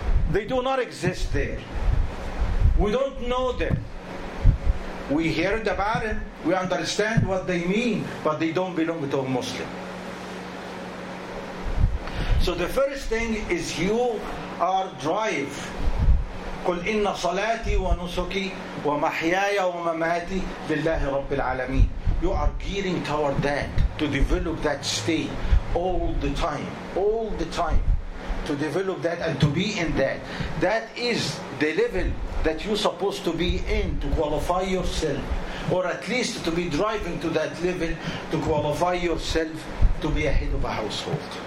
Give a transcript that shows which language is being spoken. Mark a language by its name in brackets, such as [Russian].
[English] They do not exist there. We don't know them. We heard about them. We understand what they mean, but they don't belong to a Muslim. So the first thing is you are drive. [Arabic] قل إن صلاتي ونسكي ومحياي ومماتي لله رب العالمين. [English] You are gearing toward that, to develop that state all the time, all the time, to develop that and to be in that. That is the level that you're supposed to be in to qualify yourself, or at least to be driving to that level to qualify yourself to be a head of a household.